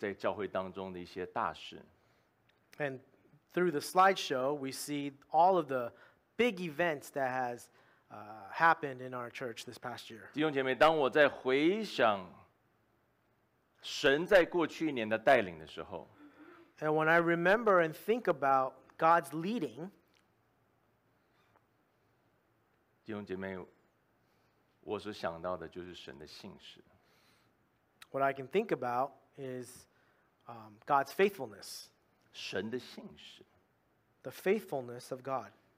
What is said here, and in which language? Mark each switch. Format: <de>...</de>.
<zh>甚至当我们刚刚借着这个影片，我们回顾过去在教会当中的一些大事。</zh> <en>And through the slideshow, we see all of the big events that has happened in our church this past year.</en> <zh>弟兄姐妹，当我在回想神在过去一年的带领的时候，</zh> <en>And when I remember and think about God's leading,</en> <zh>弟兄姐妹，我所想到的就是神的信实。</zh> <en>What I can think about is God's faithfulness.</en> <zh>神的信实。</zh> <en>The faithfulness of God.</en>